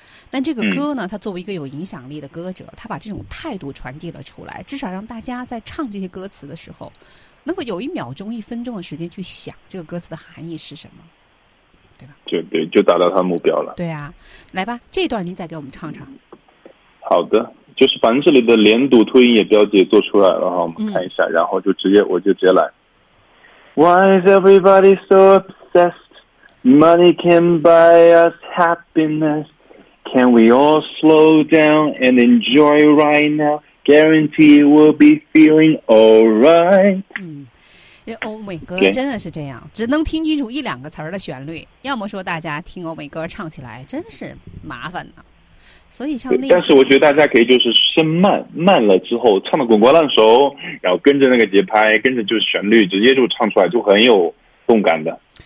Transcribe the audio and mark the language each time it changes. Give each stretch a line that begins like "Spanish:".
Chinese: 但这个歌呢，他作为一个有影响力的歌者，他把这种态度传递了出来，至少让大家在唱这些歌词的时候能够有一秒钟一分钟的时间去想这个歌词的含义是什么，对吧？对对，就达到他的目标了。对啊，来吧，这段您再给我们唱唱。好的，就是反正这里的连读吐音也标记也做出来了哈，我们看一下，然后我就直接来。
English: Why is everybody so obsessed? Money can buy us happinessCan we all slow down and enjoy right now? Guarantee we'll be feeling all right.
Chinese: 嗯，欧美歌真的是这样，只能听清楚一两个词儿的旋律，要么说大家听欧美歌唱起来真是麻烦呢。所以像那，但是我觉得大家可以就是先慢了之后唱的滚瓜烂熟，然后跟着那个节拍，跟着就是旋律，直接就唱出来，就很有动感的。